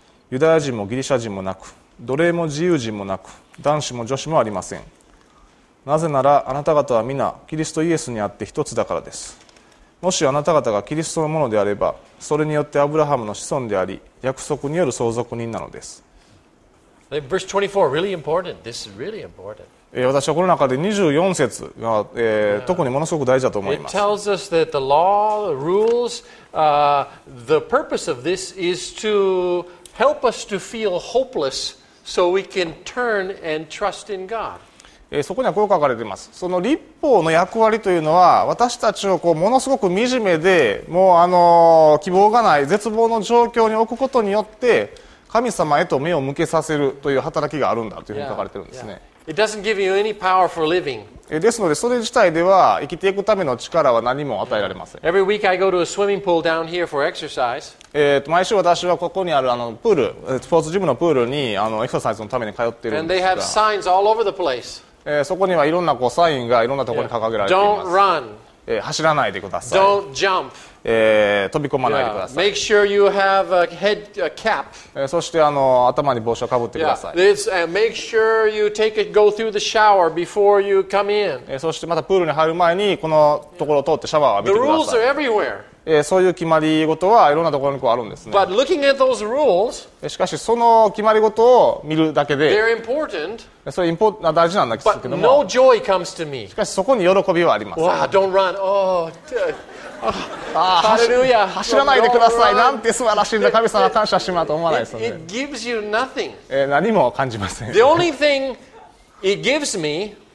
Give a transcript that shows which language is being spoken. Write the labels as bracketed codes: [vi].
[ja] ユダヤ人もギリシャ人もなく、奴隷も自由人もなく、男子も女子もありません。なぜならあなた方は皆キリストイエスにあって一つだからです。もしあなた方がキリストのものであれば、それによってアブラハムの子孫であり約束による相続人なのです。 [en] Verse 24 is really important. This is really important. [ja] 私はこの中で24節が、特にものすごく大事だと思います。 [en] It tells us that the law, the rules, the purpose of this is to help us to feel hopeless so we can turn and trust in God. [ja] そこにはこう書かれています。その律法の役割というのは、私たちをこうものすごく惨めで、もう希望がない絶望の状況に置くことによって、神様へと目を向けさせるという働きがあるんだというふうに書かれているんですね。 [en] Yeah, yeah. It doesn't give you any power for living. [ja] ですのでそれ自体では生きていくための力は何も与えられません。 [en] Every week I go to a swimming pool down here for exercise. [ja] 毎週私はここにあるプール、スポーツジムのプールにエクササイズのために通っているんですが。 [en] And they have signs all over the place. [ja] そこにはいろんなこうサインがいろんなところに掲げられています。 [en] Don't run. [ja] 走らないでください。 [en] Don't jump. [ja] 飛び込まないでください。 [en] Yeah. Make sure you have a head a cap. [ja] そしてあの頭に帽子をかぶってください。 [en] Yeah. It's, make sure you take it, go through the shower before you come in. [ja] そしてまたプールに入る前にこのところを通ってシャワーを浴びてください。 [en] The rules are everywhere. [ja] そういう決まり事はいろんなところにこうあるんですね。 [en] But looking at those rules, [ja] しかしその決まり事を見るだけで [en] they're important, [ja] それは大事なんですけども [en] but no joy comes to me. [ja] しかしそこに喜びはあります。 [en] Wow, don't run. Oh, hallelujah. [ja] 走らないでください。なんて素晴らしいんだ、神様感謝しまうと思わないですね。 [en] it gives you nothing. [ja] 何も感じません。 [en] The only thing it gives me,